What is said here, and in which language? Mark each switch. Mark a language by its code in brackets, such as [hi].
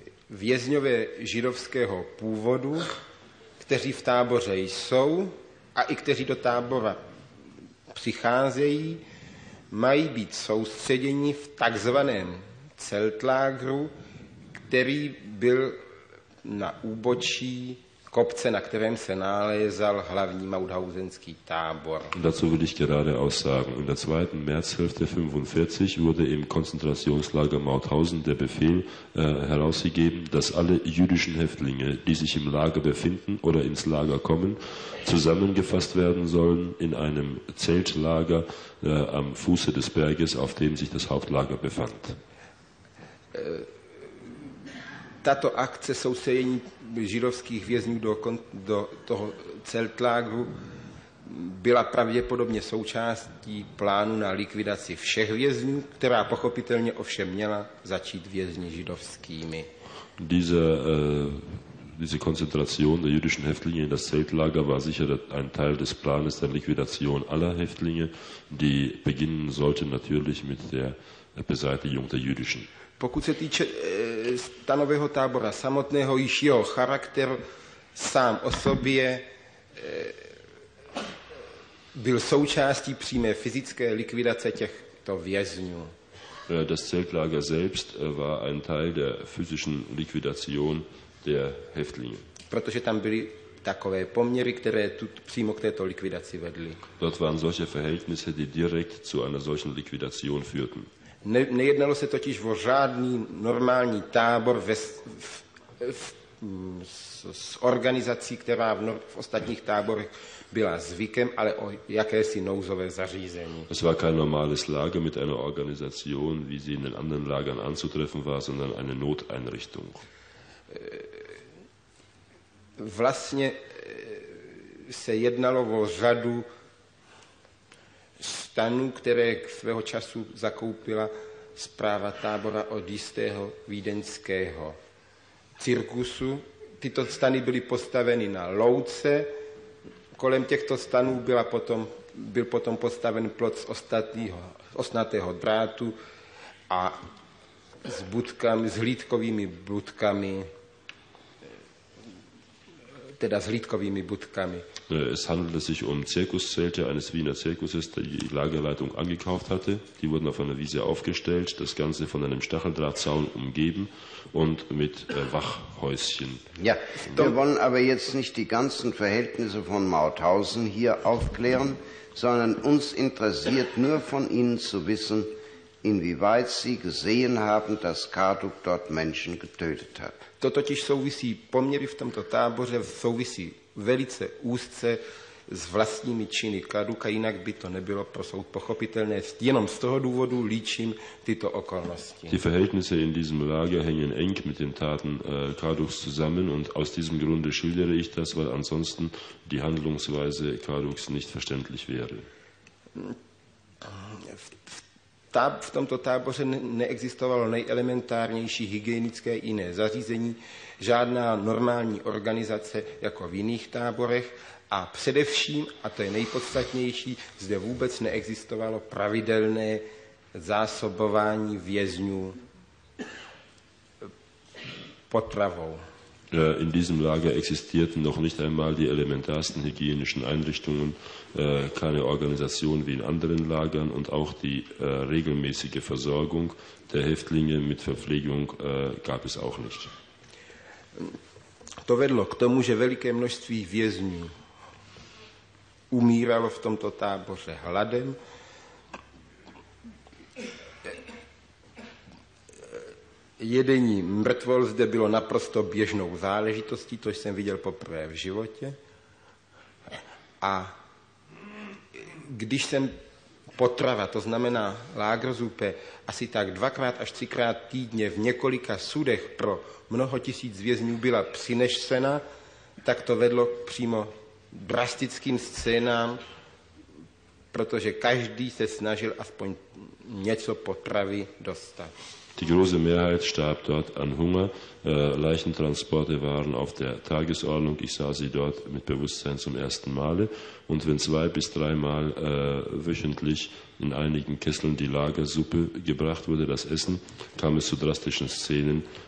[cs] vězňové židovského původu, kteří v táboře jsou a i kteří do tábora přicházejí, mají být soustředěni v takzvaném Zeltlágru, který byl na úbočí kopce, na kterém se nalézal hlavní mauthausenský tábor. [de] Dazu will ich gerade aussagen. In der zweiten Märzhälfte 45 wurde im Konzentrationslager Mauthausen der Befehl herausgegeben, dass alle jüdischen Häftlinge, die sich im Lager befinden oder ins Lager kommen, zusammengefasst werden sollen in einem Zeltlager am Fuße des Berges, auf dem sich das Hauptlager befand. [cs] Tato akce soustředění židovských vězňů do toho Zeltlágru byla pravděpodobně součástí plánu na likvidaci všech vězňů, která pochopitelně ovšem měla začít vězni židovskými. [de] Diese Konzentration der jüdischen Häftlinge in das Zeltlager war sicher ein Teil des Planes der Liquidation aller Häftlinge, die beginnen sollte natürlich mit der Beseitigung der Jüdischen. [cs] Pokud se týče stanového tábora samotného, již jeho charakter sám o sobě byl součástí přímé fyzické likvidace těchto vězňů. [de] Das Zeltlager selbst war ein Teil der physischen Liquidation der Häftlinge. [cs] Protože tam byly takové poměry, které přímo k této likvidaci vedly. [de] Dort waren solche Verhältnisse, die direkt zu einer solchen Liquidation führten. [cs] Nejednalo se totiž o žádný normální tábor s organizací, která v ostatních táborech byla zvykem, ale o jakési nouzové zařízení. [de] Es war kein normales Lager mit einer Organisation, wie sie in den anderen Lagern anzutreffen war, sondern eine Noteinrichtung. [cs] Vlastně se jednalo o řadu stanů, které svého času zakoupila správa tábora od jistého vídeňského cirkusu. Tyto stany byly postaveny na louce. Kolem těchto stanů byl potom postaven plot z osnatého drátu a s hlídkovými budkami. Teda s hlídkovými budkami. [de] Es handelte sich um Zirkuszelte eines Wiener Zirkuses, die die Lagerleitung angekauft hatte. Die wurden auf einer Wiese aufgestellt, das Ganze von einem Stacheldrahtzaun umgeben und mit Wachhäuschen. Ja, wir wollen aber jetzt nicht die ganzen Verhältnisse von Mauthausen hier aufklären, sondern uns interessiert nur von Ihnen zu wissen, inwieweit Sie gesehen haben, dass Kaduk dort Menschen getötet hat. [cs] To totiž souvisí, poměry v tomto táboře souvisí velice úzce s vlastními činy Kaduka, jinak by to nebylo pro soud pochopitelné. Jenom z toho důvodu líčím tyto okolnosti. [de] Die Verhältnisse in diesem Lager hängen eng mit den Taten Kaduks zusammen und aus diesem Grunde schildere ich das, weil ansonsten die Handlungsweise Kaduks nicht verständlich wäre. [cs] V tomto táboře neexistovalo nejelementárnější hygienické jiné zařízení, žádná normální organizace jako v jiných táborech a především, a to je nejpodstatnější, zde vůbec neexistovalo pravidelné zásobování vězňů potravou. [de] In diesem Lager existierten noch nicht einmal die elementarsten hygienischen Einrichtungen, keine Organisation wie in anderen Lagern und auch die regelmäßige Versorgung der Häftlinge mit Verpflegung gab es auch nicht. [cs] To vedlo k tomu, že veliké množství vězňů umíralo v tomto táboře hladem. Jedení mrtvol zde bylo naprosto běžnou záležitostí, to jsem viděl poprvé v životě. A když jsem potrava, to znamená Lagerzuppe, asi tak dvakrát až třikrát týdně v několika sudech pro mnoho tisíc vězňů byla přinesena, tak to vedlo přímo drastickým scénám, protože každý se snažil aspoň něco potravy dostat. [de] Die große Mehrheit starb dort an Hunger. Leichentransporte waren auf der Tagesordnung. Ich sah sie dort mit Bewusstsein zum ersten Male. Und wenn 2 bis 3 Mal wöchentlich in einigen Kesseln die Lagersuppe gebracht wurde, das Essen, kam es zu drastischen Szenen.